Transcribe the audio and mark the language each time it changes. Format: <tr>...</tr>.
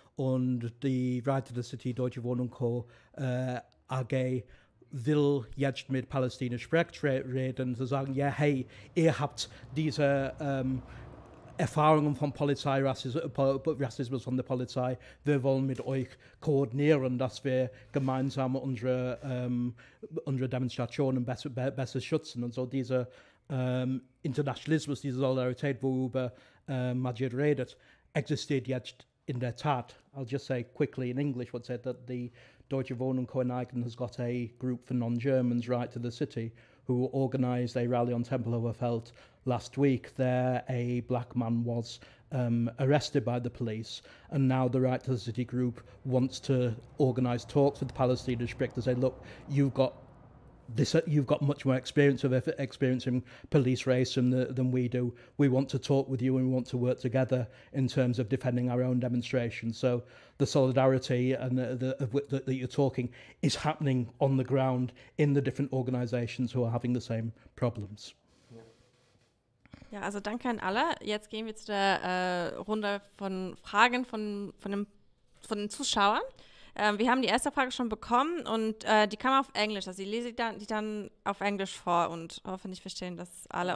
<de>und die Reiter der City, Deutsche Wohnung Co. AG, will jetzt mit Palästina reden, zu sagen, ja, hey, ihr habt diese Erfahrungen von Polizei, Rassismus von der Polizei, wir wollen mit euch koordinieren, dass wir gemeinsam unsere, unsere Demonstrationen besser schützen. Und so dieser Internationalismus, diese Solidarität, worüber Majid redet, existiert jetzt in der Tat.</de> <en>I'll just say quickly in English, what said that the Deutsche Wohnen Koenigen has got a group for non-Germans, Right to the City, who organized a rally on Tempelhofer Feld last week. There, a black man was arrested by the police, and now the Right to the City group wants to organize talks with the Palestinian Sprecher to say, look, you've got this, you've got much more experience of experiencing police racism than we do. We want to talk with you and we want to work together in terms of defending our own demonstration. So the solidarity and that you're talking is happening on the ground in the different organizations who are having the same problems.</en> <de>Ja, also danke an alle. Jetzt gehen wir zu der Runde von Fragen von den Zuschauern. Wir haben die erste Frage schon bekommen und die kam auf Englisch. Also ich lese die dann auf Englisch vor und hoffentlich verstehen das alle.</de>